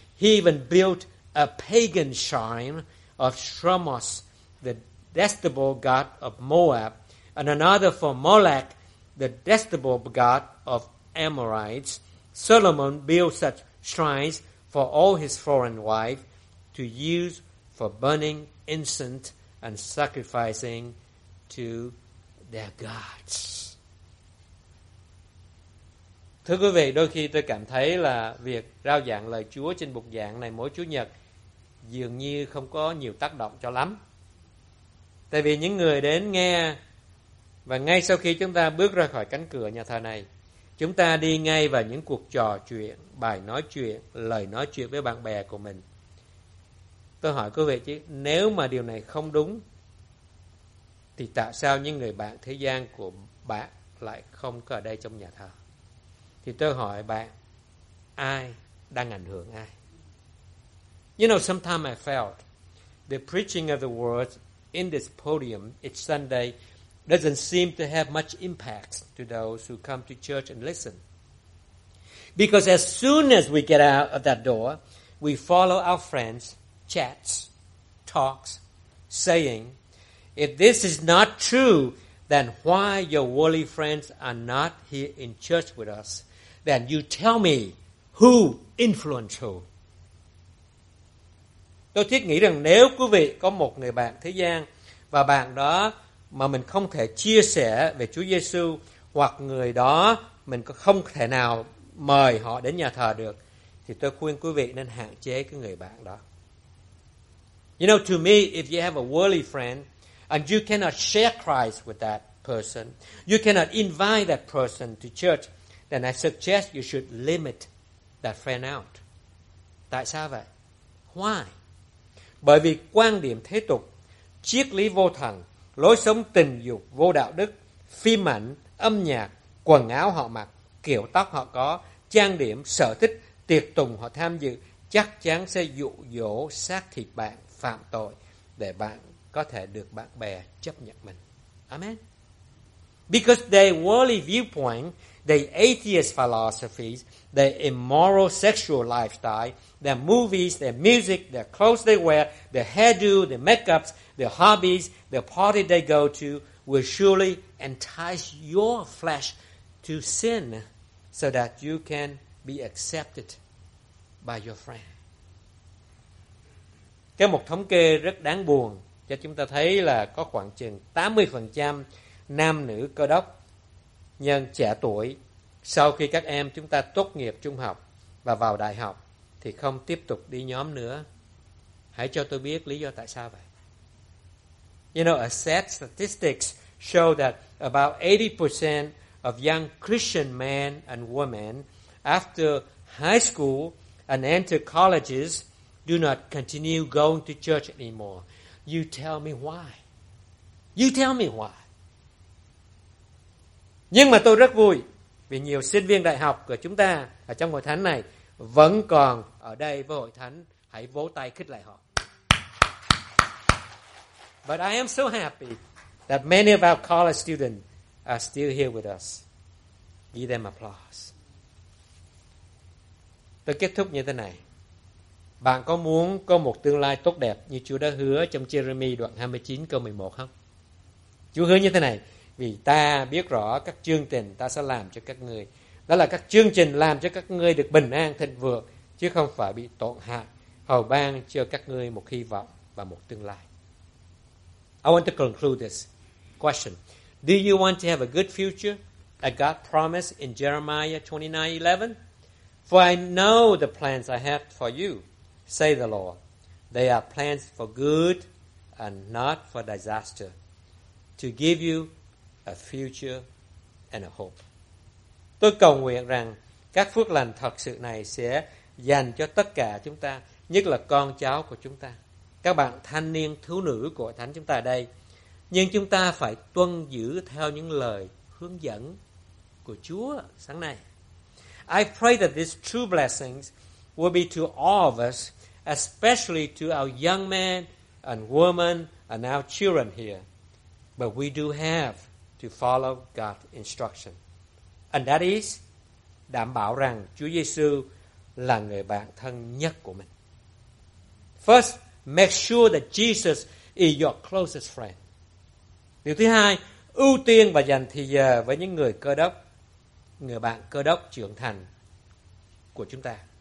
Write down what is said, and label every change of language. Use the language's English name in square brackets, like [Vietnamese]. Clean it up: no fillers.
[English] He even built a pagan shrine of Shamash, the detestable god of Moab, and another for Molech, the detestable god of Amorites. Solomon built such shrines for all his foreign wives to use for burning incense and sacrificing to their gods. [Vietnamese] Thưa quý vị, đôi khi tôi cảm thấy là việc rao giảng lời Chúa trên bục giảng này mỗi Chủ nhật dường như không có nhiều tác động cho lắm. Tại vì những người đến nghe và ngay sau khi chúng ta bước ra khỏi cánh cửa nhà thờ này, chúng ta đi ngay vào những cuộc trò chuyện, bài nói chuyện, lời nói chuyện với bạn bè của mình. Tôi hỏi quý vị chứ, nếu mà điều này không đúng, thì tại sao những người bạn thế gian của bạn lại không có ở đây trong nhà thờ? Thì tôi hỏi bạn, ai đang ảnh hưởng ai? [English] You know, sometimes I felt the preaching of the word in this podium each Sunday doesn't seem to have much impact to those who come to church and listen. Because as soon as we get out of that door, we follow our friends, chats, talks, saying, if this is not true, then why your worldly friends are not here in church with us? Then you tell me who influenced who. [Vietnamese] Tôi thiết nghĩ rằng nếu quý vị có một người bạn thế gian và bạn đó mà mình không thể chia sẻ về Chúa Giê-xu, hoặc người đó mình không thể nào mời họ đến nhà thờ được, thì tôi khuyên quý vị nên hạn chế cái người bạn đó. [English] You know, to me, if you have a worldly friend and you cannot share Christ with that person, you cannot invite that person to church, then I suggest you should limit that friend out. [Vietnamese] Tại sao vậy? [English] Why? [Vietnamese] Bởi vì quan điểm thế tục, triết lý vô thần, lối sống tình dục vô đạo đức, phim ảnh, âm nhạc, quần áo họ mặc, kiểu tóc họ có, trang điểm, sở thích, tiệc tùng họ tham dự chắc chắn sẽ dụ dỗ xác thịt bạn phạm tội để bạn có thể được bạn bè chấp nhận mình. [English] Amen. Because their worldly viewpoint, their atheist philosophies, their immoral sexual lifestyle, their movies, their music, their clothes they wear, their hairdo, their makeups, their hobbies, the party they go to will surely entice your flesh to sin so that you can be accepted by your friend. [Vietnamese] Cái một thống kê rất đáng buồn cho chúng ta thấy là có khoảng chừng 80% nam nữ cơ đốc nhân trẻ tuổi sau khi các em chúng ta tốt nghiệp trung học và vào đại học thì không tiếp tục đi nhóm nữa. Hãy cho tôi biết lý do tại sao vậy. [English] You know, a sad statistics show that about 80% of young Christian men and women after high school and enter colleges do not continue going to church anymore. You tell me why. You tell me why. [Vietnamese] Nhưng mà tôi rất vui vì nhiều sinh viên đại học của chúng ta ở trong hội thánh này vẫn còn ở đây với hội thánh. Hãy vỗ tay khích lại họ. [English] But I am so happy that many of our college students are still here with us. Give them applause. [Vietnamese] Tôi kết thúc như thế này. Bạn có muốn có một tương lai tốt đẹp như Chúa đã hứa trong Jeremy đoạn 29 câu 11 không? Chúa hứa như thế này. Vì ta biết rõ các chương trình ta sẽ làm cho các ngươi. Đó là các chương trình làm cho các ngươi được bình an, thịnh vượng, chứ không phải bị tổn hại, hầu ban cho các ngươi một hy vọng và một tương lai. [English] I want to conclude this question. Do you want to have a good future that God promised in Jeremiah 29:11? For I know the plans I have for you, say the Lord. They are plans for good and not for disaster, to give you a future and a hope. [Vietnamese] Tôi cầu nguyện rằng các phước lành thật sự này sẽ dành cho tất cả chúng ta, nhất là con cháu của chúng ta, các bạn thanh niên thiếu nữ của thánh chúng ta ở đây. Nhưng chúng ta phải tuân giữ theo những lời hướng dẫn của Chúa sáng nay. [English] I pray that these true blessings will be to all of us, especially to our young men and women and our children here. But we do have to follow God's instruction. And that is, [Vietnamese] đảm bảo rằng Chúa Giê-xu là người bạn thân nhất của mình. [English] First, make sure that Jesus is your closest friend. [Vietnamese] Điều thứ hai, ưu tiên và dành thời giờ với những người cơ đốc, người bạn cơ đốc trưởng thành của chúng ta.